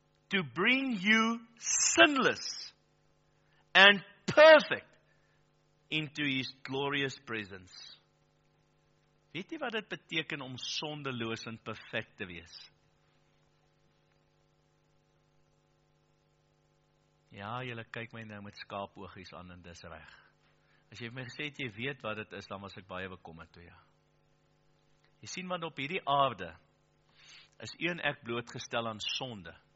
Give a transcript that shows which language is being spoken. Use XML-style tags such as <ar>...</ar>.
<en>To bring you sinless and perfect into his glorious presence.</en> <af>Weet jy wat dit beteken om sondeloos en perfect te wees? Ja, julle kyk my nou met skaapoogies aan en dis reg. As jy my gesê het, jy weet wat dit is, dan was ek baie bekommerd toe, ja. Jy sien, want op hierdie aarde is een ek blootgestel aan sonde.</af>